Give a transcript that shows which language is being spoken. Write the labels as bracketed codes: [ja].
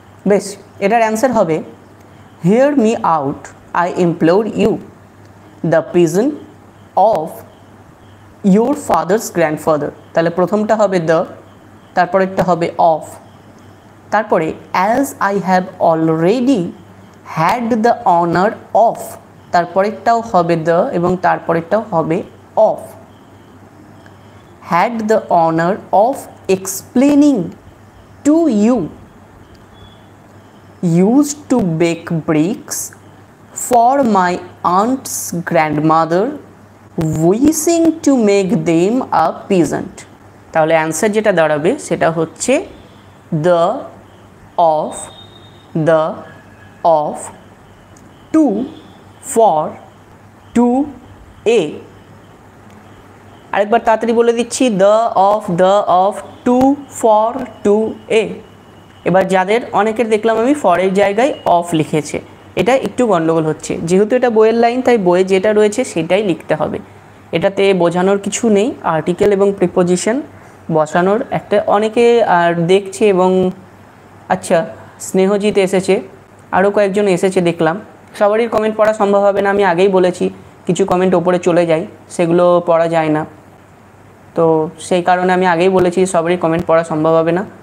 [bn] বেশ, এটার অ্যান্সার হবে, [en] Hear me out, I implore you, the pigeon of your father's grandfather. [bn] তাহলে প্রথমটা হবে দ্য, তারপরেরটা হবে অফ, তারপরে [en] as I have already had the honour of, [bn] তারপরেরটাও হবে দ্য, এবং তারপরেরটাও হবে of. [en] Had the honor of explaining to you, used to bake bricks for my aunt's grandmother, wishing to make them a peasant. [bn] তাহলে answer যেটা দাঁড়াবে সেটা হচ্ছে [en] the of, the of, to, for, to, a. [bn] আরেকবার তাড়াতাড়ি বলে দিচ্ছি, the of, the of, two, for, two, এ। এবার যাদের অনেকের দেখলাম আমি ফরের জায়গায় অফ লিখেছে, এটা একটু গণ্ডগোল হচ্ছে, যেহেতু এটা বইয়ের লাইন তাই বইয়ে যেটা রয়েছে সেটাই লিখতে হবে। এটাতে বোঝানোর কিছু নেই, আর্টিকেল এবং প্রিপোজিশন বসানোর একটা অনেকে আর দেখছে এবং আচ্ছা স্নেহজিৎ এসেছে, আরও কয়েকজন এসেছে দেখলাম, সবারই কমেন্ট পড়া সম্ভব হবে না, আমি আগেই বলেছি কিছু কমেন্ট ওপরে চলে যায় সেগুলো পড়া যায় না, তো সেই কারণে আমি আগেই বলেছি সবারই কমেন্ট পড়া সম্ভব হবে না।